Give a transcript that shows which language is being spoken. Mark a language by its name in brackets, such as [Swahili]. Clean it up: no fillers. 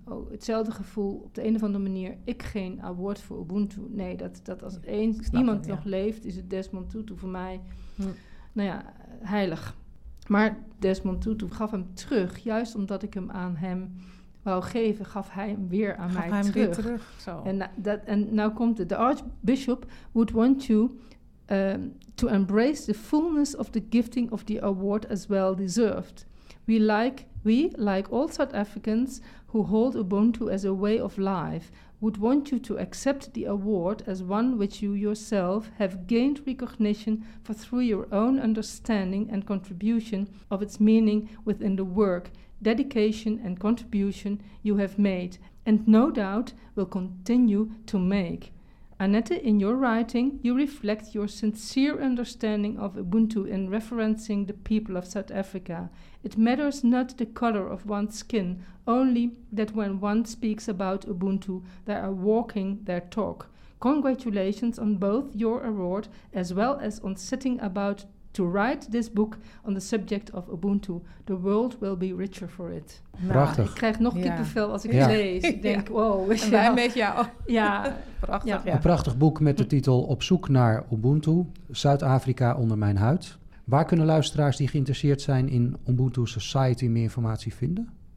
[Dutch] Oh, hetzelfde gevoel, op de een of andere manier, ik geen award voor Ubuntu. Nee, dat als eens iemand nog leeft, is het Desmond Tutu voor mij, heilig. Maar Desmond Tutu gaf hem terug, juist omdat ik hem aan hem wou geven, gaf hij hem weer aan gaf hem terug. Weer terug zo. En nou komt het, [English] the Archbishop would want you to embrace the fullness of the gifting of the award as well deserved. We, like all South Africans who hold Ubuntu as a way of life, would want you to accept the award as one which you yourself have gained recognition for through your own understanding and contribution of its meaning within the work, dedication and contribution you have made, and no doubt will continue to make. Annette, in your writing, you reflect your sincere understanding of Ubuntu in referencing the people of South Africa. It matters not the color of one's skin, only that when one speaks about Ubuntu, they are walking their talk. Congratulations on both your award as well as on sitting about to write this book on the subject of Ubuntu. The world will be richer for it. [Dutch] Prachtig. Nou, ik krijg nog kippenvel als ik het lees. Ik denk, wow. En wij met jou. Ja. Prachtig. Ja. Een prachtig boek met de titel Op zoek naar Ubuntu. Zuid-Afrika onder mijn huid. Waar kunnen luisteraars die geïnteresseerd zijn in Ubuntu Society meer informatie vinden?